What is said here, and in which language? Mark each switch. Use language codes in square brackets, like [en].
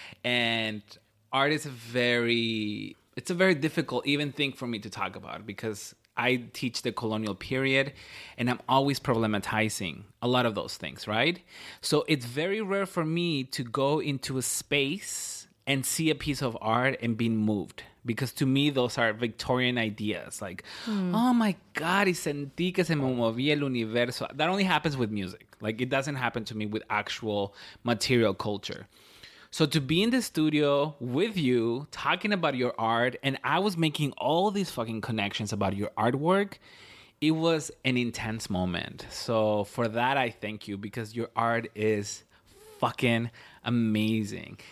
[en] And art is it's a very difficult even thing for me to talk about, because I teach the colonial period and I'm always problematizing a lot of those things, right? So it's very rare for me to go into a space and see a piece of art and be moved. Because to me, those are Victorian ideas. Like, oh my God, [es] y sentí que se me movía el universo. [en] That only happens with music. Like, it doesn't happen to me with actual material culture. So to be in the studio with you, talking about your art, and I was making all these fucking connections about your artwork, it was an intense moment. So for that, I thank you, because your art is fucking amazing.